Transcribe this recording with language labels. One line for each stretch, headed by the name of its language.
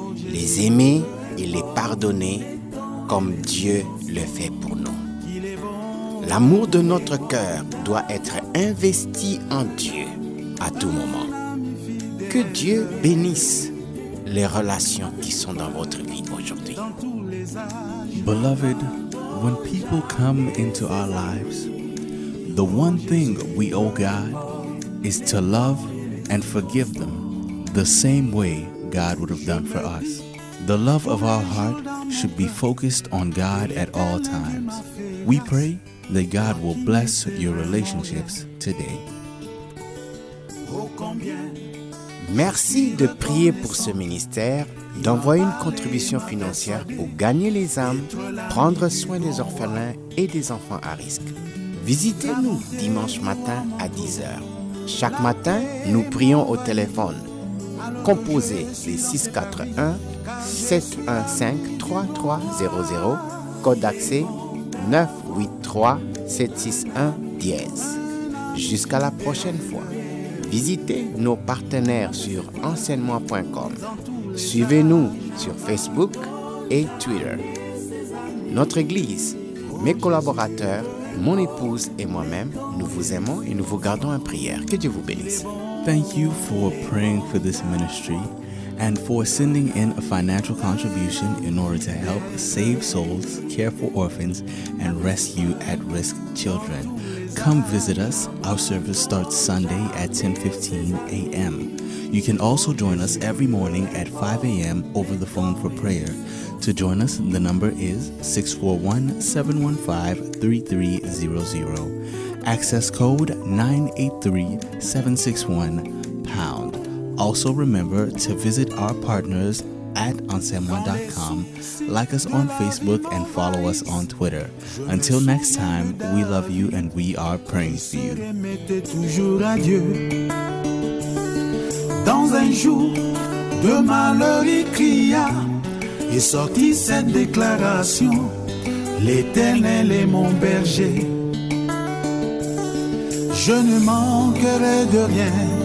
French: Les aimer et les pardonner comme Dieu le fait pour nous. L'amour de notre cœur doit être investi en Dieu à tout moment. Que Dieu bénisse les relations qui sont dans votre vie aujourd'hui.
English: Beloved, when people come into our lives, the one thing we owe God is to love and forgive them the same way God would have done for us. The love of our heart should be focused on God at all times. We pray that God will bless your relationships today.
French: Merci de prier pour ce ministère, d'envoyer une contribution financière pour gagner les âmes, prendre soin des orphelins et des enfants à risque. Visitez-nous dimanche matin à 10h. Chaque matin, nous prions au téléphone. Composez les 641-715-3300, code d'accès 983-761-10. Jusqu'à la prochaine fois. Visitez nos partenaires sur enseignement.com. Suivez-nous sur Facebook et Twitter. Notre Église, mes collaborateurs, mon épouse et moi-même, nous vous aimons et nous vous gardons en prière. Que Dieu vous bénisse.
English: Thank you for praying for this ministry and for sending in a financial contribution in order to help save souls, care for orphans, and rescue at-risk children. Come visit us. Our service starts Sunday at 10:15 a.m. You can also join us every morning at 5 a.m. over the phone for prayer. To join us, the number is 641-715-3300. Access code 983-761-pound. Also remember to visit our partners at enseignement.com, like us on Facebook, and follow us on Twitter. Until next time, we love you and we are praying for you.
French: Dans un jour de malheur, il cria et sortit cette déclaration: l'Éternel est mon berger, je ne manquerai de rien.